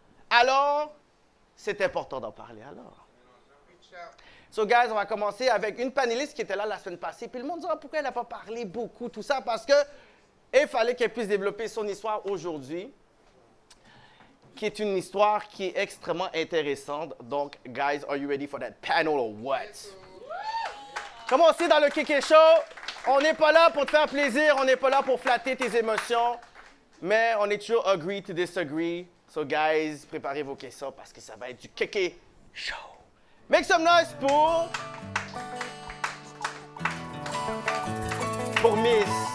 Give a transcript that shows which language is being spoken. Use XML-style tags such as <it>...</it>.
<fr>Alors, c'est important d'en parler, alors.</fr> <en>So, guys,</en> <fr>on va commencer avec une panéliste qui était là la semaine passée. Puis le monde dit, pourquoi elle n'a pas parlé beaucoup, tout ça? Parce qu'il fallait qu'elle puisse développer son histoire aujourd'hui, qui est une histoire qui est extrêmement intéressante.</fr> <en>Donc, guys, are you ready for that panel or what?</en> <fr>Comme on sait dans le Kéké Show, on n'est pas là pour te faire plaisir, on n'est pas là pour flatter tes émotions, mais on est toujours</fr> <en>agree to disagree. So guys,</en> <fr>préparez vos questions parce que ça va être du Kéké Show.</fr> <en>Make some noise pour Miss.</en>